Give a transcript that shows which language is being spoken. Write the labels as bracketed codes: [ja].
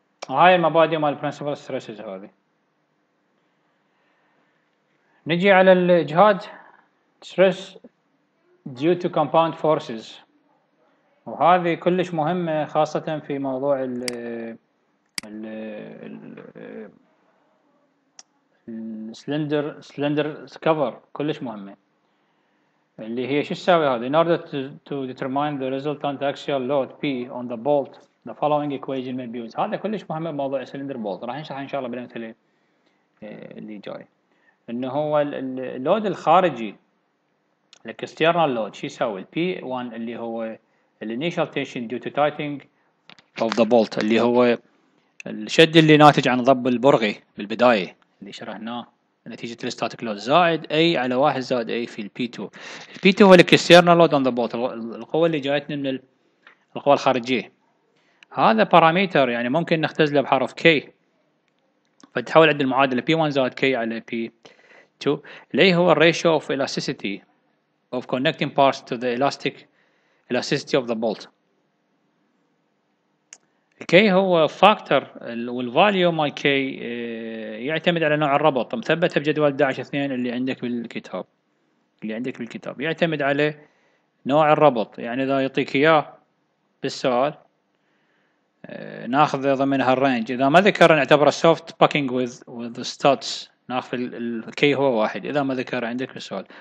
[ar] هاي المبادئ مال برنسبل ستريسز. هذه نجي على الاجهاد ستريس ديو تو كومباوند فورسز، وهذه كلش مهمه خاصه في موضوع ال ال السلندر سلندر كفر كلش مهمه، اللي هي شو تساوي هذا. [en] In order to determine the resultant axial load P on the bolt, the following equation may be used. [ar] هذا كلش مهم بموضوع السلندر بولت، راح نشرح ان شاء الله بالامثله اللي جاي. انه هو اللود الخارجي الاكسترنال لود شو يسوي؟ P1 اللي هو الانيشال تنشن [en] due to tightening of the bolt، [ar] اللي هو الشد اللي ناتج عن ضب البرغي بالبدايه اللي شرحناه نتيجة الستاتيك لود، زائد A على 1 زائد A في الـ P2. الـ P2 هو الـ [en] external load on the bolt، [ar] القوة اللي جايتني من القوة الخارجية. هذا باراميتر يعني ممكن نختزله بحرف K، فتحول عند المعادلة P1 زائد K على P2. اللي هو [en] الratio of elasticity of connecting parts to the elastic elasticity of the bolt. [ar] K هو فاكتور، والفاليو مال K يعتمد على نوع الربط، مثبته بجدول 11-2 اللي عندك بالكتاب، اللي عندك بالكتاب يعتمد على نوع الربط. يعني اذا يعطيك اياه بالسؤال ناخذ ضمن هالرينج، اذا ما ذكر نعتبره سوفت باكينج وذ ستاتس، ناخذ ال K هو واحد اذا ما ذكر عندك بالسؤال.